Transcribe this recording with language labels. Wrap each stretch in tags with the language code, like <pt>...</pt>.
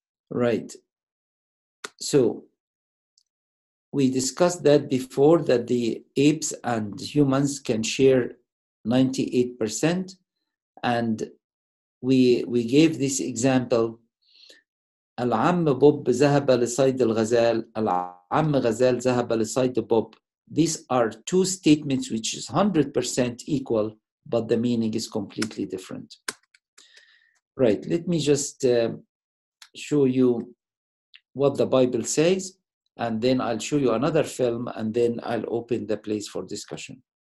<en>Right. So we discussed that before, that the apes and humans can share 98%. And we gave this example.</en> <ar>العم بوب ذهب لصيد الغزال. العم غزال ذهب لصيد بوب.</ar> <en>These are two statements which is 100% equal, but the meaning is completely different. Right, let me just show you what the Bible says, and then I'll show you another film, and then I'll open the place for discussion.</en>